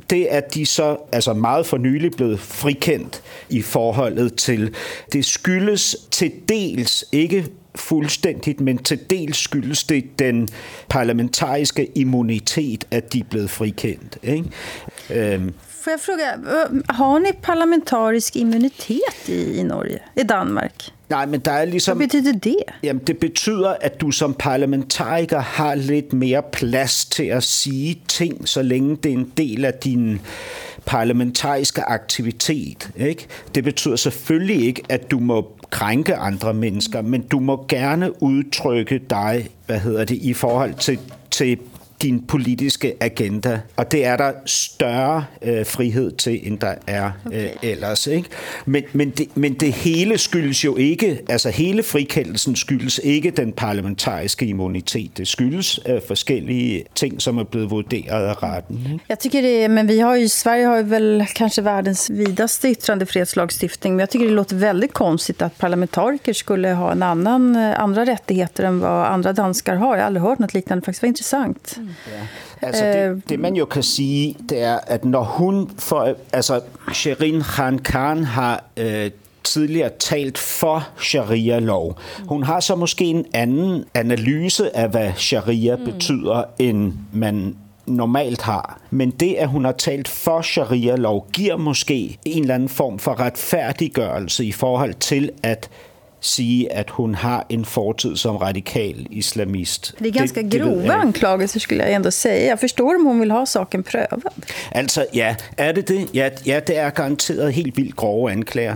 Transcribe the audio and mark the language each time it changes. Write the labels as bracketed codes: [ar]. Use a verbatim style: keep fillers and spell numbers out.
[da] Det er de så altså meget for nylig blevet frikendt i forholdet til. Det skyldes til dels ikke fuldstændigt, men til dels skyldes det den parlamentariske immunitet, at de er blevet frikendt, ikke? Øhm. [sv] Får jag fråga, har ni parlamentarisk immunitet i Norge, i Danmark? [da] Nej, men der er ligesom... Hvad betyder det? Jamen, det betyder, at du som parlamentariker har lidt mere plads til at sige ting, så længe det er en del af din parlamentariske aktivitet, ikke? Det betyder selvfølgelig ikke, at du må krænke andre mennesker, men du må gerne udtrykke dig, hvad hedder det, i forhold til... til din politiske agenda, og det er der større øh, frihed til, end der er øh, ellers, ikke? Men, men, det, men det hele skyldes jo ikke, altså hele frikendelsen skyldes ikke den parlamentariske immunitet. Det skyldes øh, forskellige ting, som er blevet vurderet af retten. [sv] Jeg tycker det, men vi har ju, Sverige har ju väl kanske världens vidaste yttrandefrihetslagstiftning, men jag tycker det låter väldigt konstigt att parlamentariker skulle ha en annan, andra rättigheter än vad andra danskar har. Jag har aldrig hört något liknande, faktisk var intressant. Mm. [da] Ja. Altså det, det man jo kan sige, det er, at når hun for, altså Sherin Khankan har øh, tidligere talt for sharia-lov. Hun har så måske en anden analyse af, hvad sharia mm. betyder, end man normalt har. Men det, at hun har talt for sharia-lov, giver måske en eller anden form for retfærdiggørelse i forhold til, at sige, at hun har en fortid som radikal islamist. [sv] Det är ganska det, grova det anklagelser skulle jag ändå säga. Jag förstår om hon vill ha saken prövad. Alltså, ja, är det det? [da] Ja, ja, det är garanteret helt vildt grove anklager.